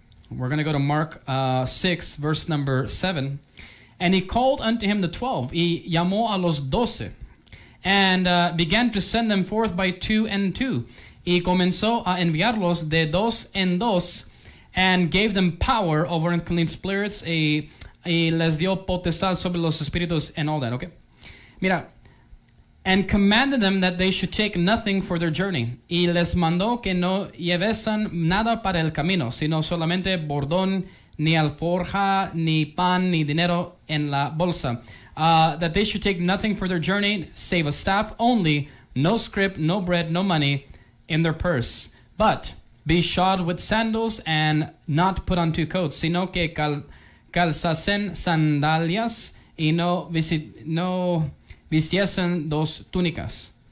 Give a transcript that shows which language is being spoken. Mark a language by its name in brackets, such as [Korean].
[English] We're going to go to Mark 6, verse number 7. And he called unto him the 12. [Spanish] Y llamó a los 12. [English] And began to send them forth by two and two. [Spanish] Y comenzó a enviarlos de dos en dos. [English] And gave them power over unclean spirits. [Spanish] Y les dio potestad sobre los espíritus [English] and all that. Okay. Mira. And commanded them that they should take nothing for their journey. [Spanish] Y les mandó que no llevesen nada para el camino, sino solamente bordón, ni alforja, ni pan, ni dinero en la bolsa. [English] That they should take nothing for their journey, save a staff only, no scrip, no bread, no money in their purse. But be shod with sandals and not put on two coats, [Spanish] sino que calzasen sandalias y no vistiesen dos túnicas.